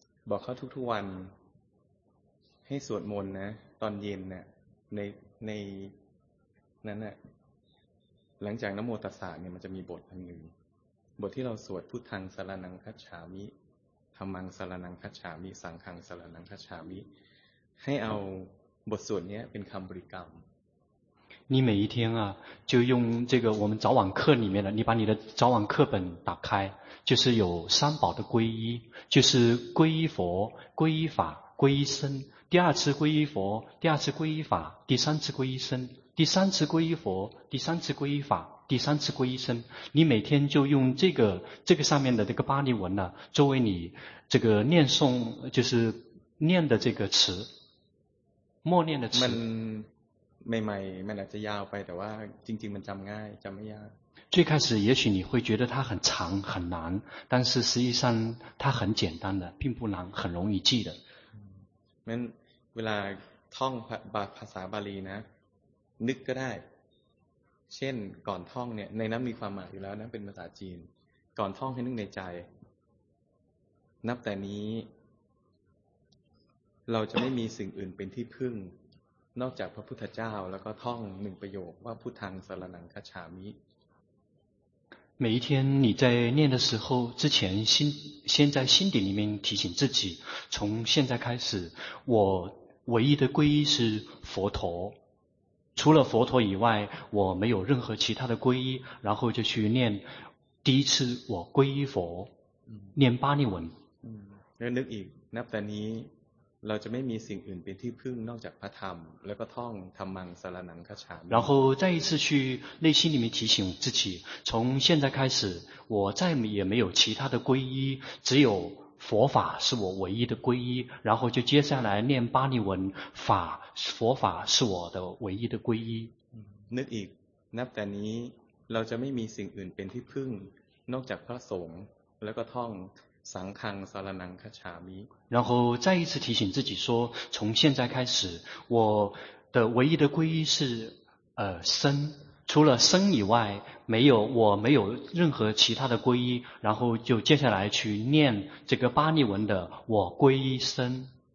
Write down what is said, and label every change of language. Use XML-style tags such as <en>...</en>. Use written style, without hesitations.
<th>บอกเขาทุกๆวันให้สวดมนต์นะตอนเย็นนะในนั้นนะหลังจากนโมตัสสะเนี่ยมันจะมีบทหนึ่งบทที่เราสวด</th> <pi>พุทธังสรณังคัจฉามิธัมมังสรณังคัจฉามิสังฆังสรณังคัจฉามิ</pi> <th>ให้เอาบทสวดเนี้ยเป็นคำบริกรรม</th> <zh>你每一天啊，就用这个我们早晚课里面的，你把你的早晚课本打开，就是有三宝的皈依，就是皈依佛、皈依法、皈依僧。第二次皈依佛，第二次皈依法，第三次皈依僧，第三次皈依佛，第三次皈依法，第三次皈依僧。你每天就用这个上面的这个巴利文呢、啊，作为你这个念诵，就是念的这个词，默念的词。</zh> <th>ใหม่ๆไม่น่าจะยาวไปแต่ว่าจริงๆมันจำง่ายจำไม่ยาก</th> <zh>最开始也许你会觉得它很长很难但是实际上它很简单的并不难很容易记的</zh> <th>มันเวลาท่องภาษาบาลีนะนึกก็ได้เช่นก่อนท่องเนี่ยในนั้นมีความหมายอยู่แล้วนะเป็นภาษาจีนก่อนท่องให้นึกในใจนับแต่นี้เราจะไม่มีสิ่งอื่นเป็นที่พึ่งนอกจากพระพุทธเจ้าแล้วก็ท่องหนึ่งประโยคว่า</th> <pi>พุทธังสรณังคัจฉามิ</pi> <zh>每一天你在念的时候之前先在心底里面提醒自己从现在开始我唯一的皈依是佛陀除了佛陀以外我没有任何其他的皈依然后就去念第一次我皈依佛念巴利文</zh> <th>แล้วนึกอีกนับแต่นี้เราจะไม่มีสิ่งอื่นเป็นที่พึ่งนอกจากพระธรรมแล้วก็ท่อง</th> <pi>ธรรมังสรณังคัจฉามิ</pi> <zh>然后再一次去内心里面提醒自己从现在开始我再也没有其他的皈依只有佛法是我唯一的皈依然后就接下来念巴利文法佛法是我的唯一的皈依</zh> <th>นึกอีกนับแต่นี้เราจะไม่มีสิ่งอื่นเป็นที่พึ่งนอกจากพระสงฆ์แล้วก็ท่อง</th> <pi>สังฆังสรณังคัจฉามิ</pi> <zh>然后再一次提醒自己说从现在开始我的唯一的皈依是僧除了僧以外我没有任何其他的皈依然后就接下来去念这个巴利文的我皈依僧</zh>